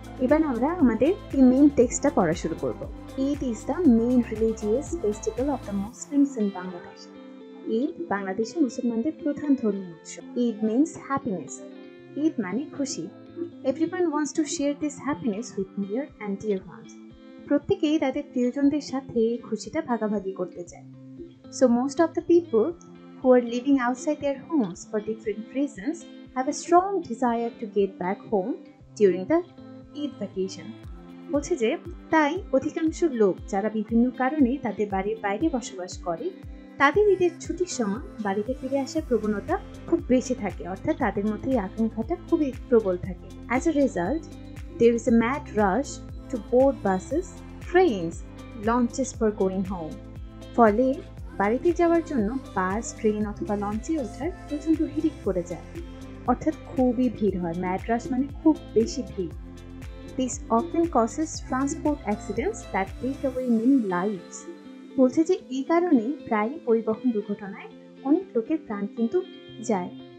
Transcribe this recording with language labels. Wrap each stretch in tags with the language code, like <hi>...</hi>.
<bn>এবার আমরা আমাদের এই মেইন টেক্সটটা পড়া শুরু করব।</bn> <en>Eid is the main religious festival of the Muslims in Bangladesh.</en> <bn>Eid বাংলাদেশে মুসলমানদের প্রধান ধর্মীয় উৎসব।</bn> <en>Eid means happiness,</en> <bn>ঈদ মানে খুশি।</bn> <en>everyone wants to share this happiness with near and dear ones,</en> <bn>প্রত্যেকেই তাদের প্রিয়জনদের সাথে এই খুশিটা ভাগাভাগি করতে চায়।</bn> <en>So most of the people who are living outside their homes for different reasons have a strong desire to get back home during the Eid vacation.</en> <bn>বলছে যে তাই অধিকাংশ লোক যারা বিভিন্ন কারণে তাদের বাড়ির বাইরে বসবাস করে তাদের ঈদের ছুটির সময় বাড়িতে ফিরে আসার প্রবণতা খুব বেশি থাকে, অর্থাৎ তাদের মধ্যে এই আকাঙ্ক্ষাটা খুবই প্রবল থাকে।</bn> <en>As a result, there is a mad rush to board buses, trains, launches for going home.</en> <bn>ফলে বাড়িতে যাওয়ার জন্য বাস, ট্রেন অথবা লঞ্চে ওঠার প্রচণ্ড হিড়িক পড়ে যায়, অর্থাৎ খুবই ভিড় হয়। ম্যাড্রাস মানে খুব বেশি ভিড়।</bn> <en>this often causes transport accidents that take away many lives,</en> <bn>বলছে যে এই কারণে প্রায়ই পরিবহন দুর্ঘটনায় অনেক লোকের প্রাণ কিন্তু যায়।</bn>